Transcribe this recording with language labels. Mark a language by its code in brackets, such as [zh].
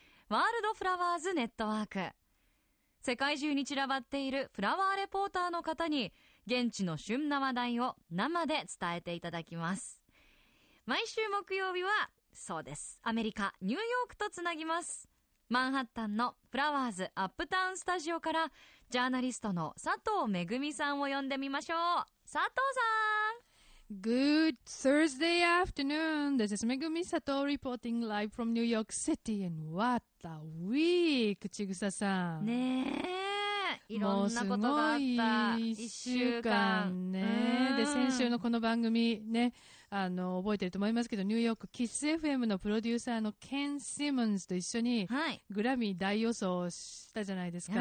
[ja] ワールドフラワーズネットワーク、世界中に散らばっているフラワーレポーターの方に現地の旬な話題を生で伝えていただきます。毎週木曜日はそうですアメリカニューヨークとつなぎます。マンハッタンのフラワーズアップタウンスタジオからジャーナリストの佐藤めぐみさんを呼んでみましょう。佐藤さん、 [en] Good Thursday afternoon. This is めぐみ佐藤 reporting live from New York City. And what a week! ちぐささん、 [ja] ねえ、いろんなことがあった1週間ね、で先週のこの番組ね、覚えてると思いますけど、ニューヨークキス FM のプロデューサーのケン・シモンズと一緒にグラミー大予想したじゃないですか、